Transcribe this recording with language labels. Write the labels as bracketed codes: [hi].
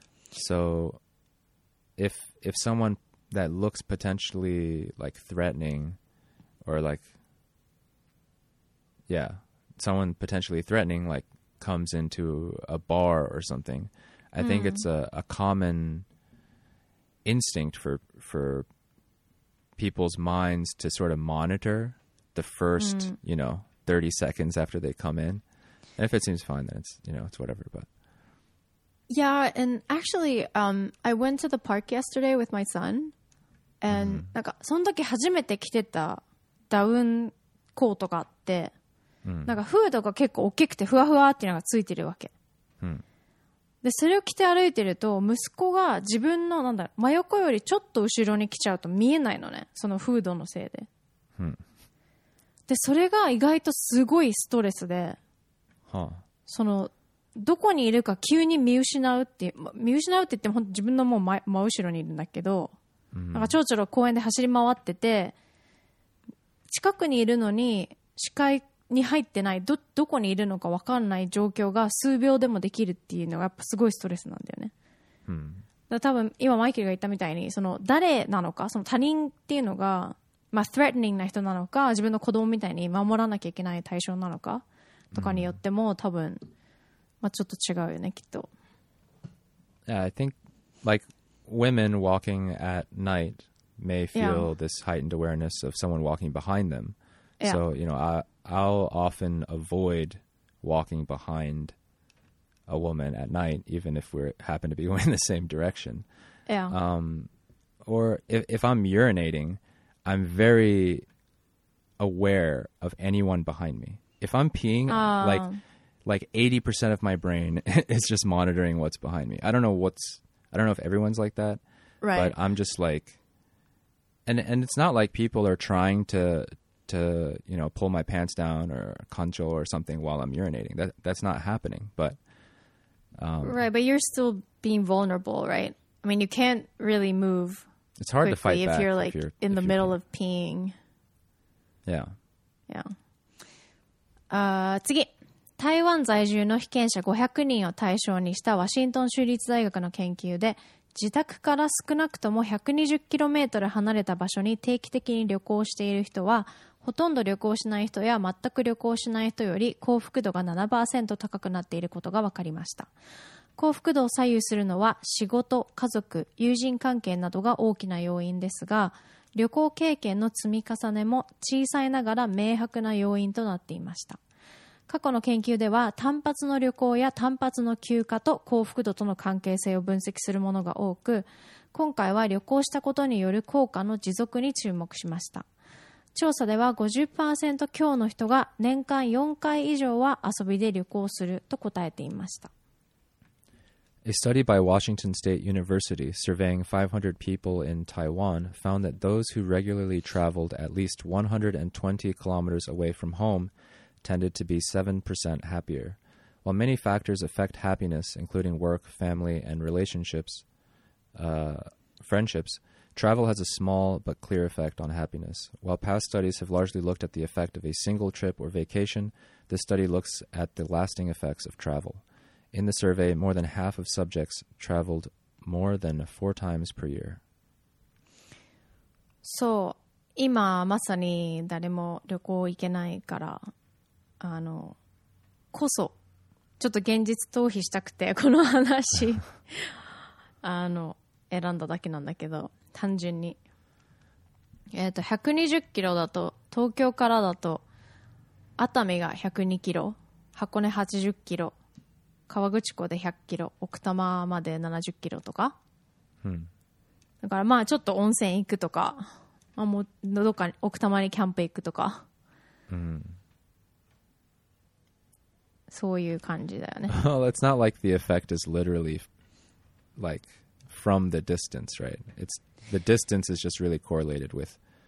[en] So if someone that looks potentially like threatening, or like, yeah, someone potentially threatening like comes into a bar or something, I think it's a common instinct for people's minds to sort of monitor the first, you know, 30 seconds after they come in. And if it seems fine, then it's, you know, it's whatever, but. Yeah. And actually, I went to the park yesterday with my son. [ja] And なんかその時初めて着てたダウンコートがあって、なんかフードが結構大きくてふわふわっていうのがついてるわけ。でそれを着て歩いてると息子が自分のなんだろう真横よりちょっと後ろに来ちゃうと見えないのね、そのフードのせいで。でそれが意外とすごいストレスで、そのどこにいるか急に見失うっていう、見失うって言っても本当自分のもう 真後ろにいるんだけど。なんかちょろちょろ公園で走り回ってて近くにいるのに視界に入ってない、どこにいるのか分かんない状況が数秒でもできるっていうのがやっぱすごいストレスなんだよね。だから多分今マイケルが言ったみたいにその誰なのか、その他人っていうのが、まあ、threatening な人なのか自分の子供みたいに守らなきゃいけない対象なのかとかによっても多分、まあ、ちょっと違うよねきっと。 [en] Yeah, I think likeWomen walking at night may feel this heightened awareness of someone walking behind them. So, you know, I'll often avoid walking behind a woman at night, even if we happen to be going in the same direction. Or if I'm urinating, I'm very aware of anyone behind me. If I'm peeing, like 80% of my brain is just monitoring what's behind me. I don't know if everyone's like that, right. But I'm just like, and it's not like people are trying to, you know, pull my pants down or control or something while I'm urinating. That's not happening, but. Right, but you're still being vulnerable, right? I mean, you can't really move. It's hard to fight back if you're like in the middle of peeing. Yeah. [ja] Yeah. 次。台湾在住の被験者500人を対象にしたワシントン州立大学の研究で、自宅から少なくとも 120km 離れた場所に定期的に旅行している人は、ほとんど旅行しない人や全く旅行しない人より幸福度が 7% 高くなっていることが分かりました。幸福度を左右するのは仕事、家族、友人関係などが大きな要因ですが、旅行経験の積み重ねも小さいながら明白な要因となっていました。過去の研究では単発の旅行や単発の休暇と幸福度との関係性を分析するものが多く、今回は旅行したことによる効果の持続に注目しました。調査では 50% 強の人が年間4回以上は遊びで旅行すると答えていました。 [en] A study by Washington State University surveying 500 people in Taiwan found that those who regularly traveled at least 120 kilometers away from homeTended to be 7% happier. While many factors affect happiness, including work, family, and relationships, friendships, travel has a small but clear effect on happiness. While past studies have largely looked at the effect of a single trip or vacation, this study looks at the lasting effects of travel. In the survey, more than half of subjects traveled more than 4 times per year. [ja] そう、今まさに誰も旅行行けないからあのこそちょっと現実逃避したくてこの話あの選んだだけなんだけど単純に120キロだと東京からだと熱海が102キロ箱根80キロ川口湖で100キロ奥多摩まで70キロとか、うん、だからまあちょっと温泉行くとかまあ、もうどっかに奥多摩にキャンプ行くとか、うん、そういう感じだよね。 [en] Well, it's not like the effect is literally like from the distance, right? It's the distance is just really correlated with,